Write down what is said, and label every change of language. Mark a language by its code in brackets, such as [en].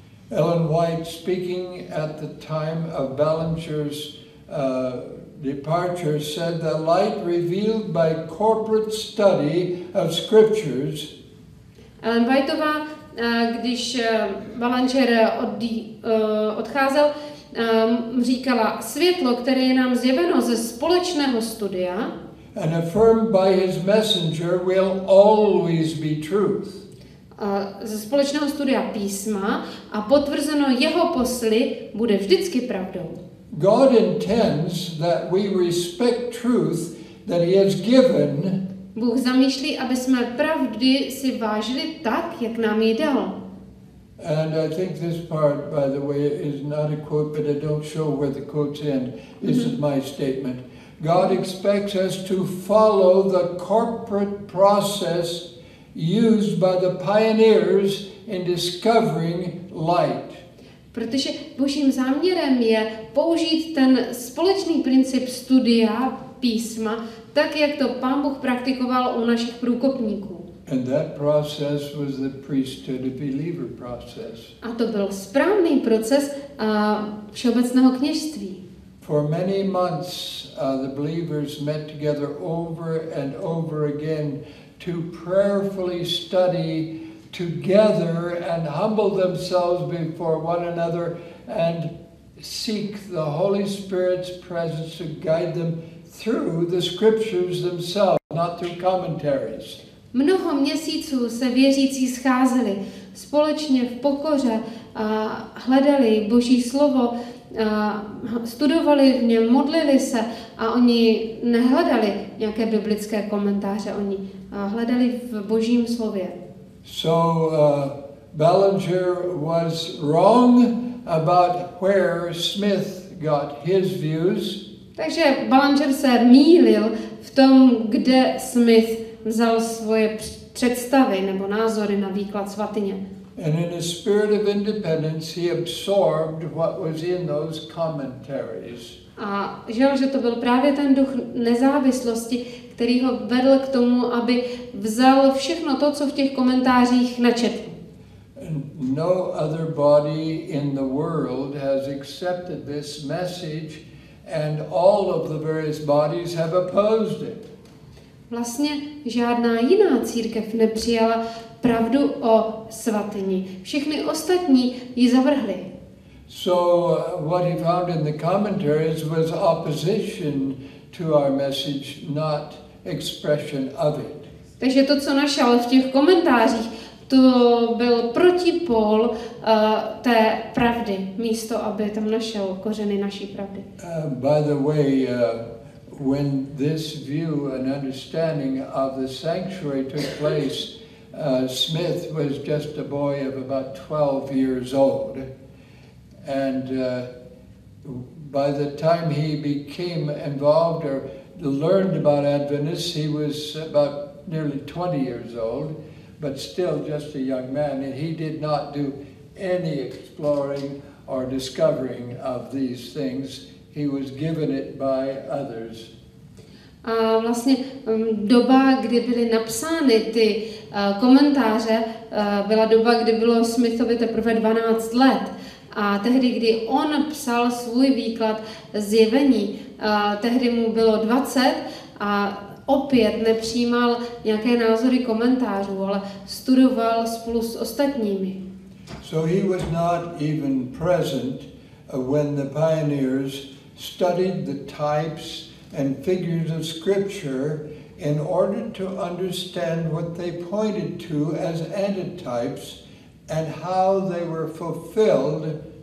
[en] Ellen White speaking at the time of Ballinger's departure said the light revealed by corporate study of scriptures. [cs] Ellen Whiteová, když Ballinger odcházel, říkala, světlo, které je nám zjeveno ze společného studia, [en] and affirmed by his messenger will always be truth. [cs] Ze společného studia písma a potvrzeno jeho posly bude vždycky pravdou. [en] God intends that we respect truth that he has given. [cs] Bůh zamýšlí, aby jsme pravdy si vážili tak, jak nám ji dal. [en] And I think this part, by the way, is not a quote, but I don't show where the quotes end. This is my statement. God expects us to follow the corporate process used by the pioneers in discovering light. [cs] Protože Božím záměrem je použít ten společný princip studia písma, tak jak to Pán Bůh praktikoval u našich průkopníků. [en] And that process was the priesthood of believer process. [cs] A to byl správný proces všeobecného kněžství. [en] For many months, the believers met together over and over again to prayerfully study together and humble themselves before one another and seek the Holy Spirit's presence to guide them through the scriptures themselves, not through commentaries. [cs] Mnoho měsíců se věřící scházeli, společně v pokoře hledali Boží slovo, studovali v něm, modlili se a oni nehledali nějaké biblické komentáře, oni hledali v Božím slově. [en] So Ballinger was wrong about where Smith got his views. [cs] Takže Ballinger se mýlil v tom, kde Smith vzal svoje představy nebo názory na výklad svatyně. [en] And in a spirit of independence, he absorbed what was in those commentaries. [cs] A žel, že to byl právě ten duch nezávislosti, který ho vedl k tomu, aby vzal všechno to, co v těch komentářích načetl. [en] No other body in the world has accepted this message, and all of the various bodies have opposed it. [cs] Vlastně žádná jiná církev nepřijala pravdu o svatyni. Všichni ostatní ji zavrhli. [en] So what he found in the commentaries was opposition to our message, not expression of it. [cs] Takže to, co našel v těch komentářích, to byl protipol té pravdy, místo aby tam našel kořeny naší pravdy. [en] By the way, when this view and understanding of the sanctuary took place, Smith was just a boy of about 12 years old. And by the time he became involved or learned about Adventists, he was about nearly 20 years old, but still just a young man. And he did not do any exploring or discovering of these things. He was given it by others. [cs] A vlastně doba, kdy byly napsány ty komentáře, byla doba, kdy bylo Smithovi teprve 12 let. A tehdy, kdy on psal svůj výklad zjevení, tehdy mu bylo 20 a opět nepřijímal nějaké názory komentářů, ale studoval spolu s ostatními. [en] So he was not even present when the pioneers studied the types and figures of scripture in order to understand what they pointed to as antitypes and how they were fulfilled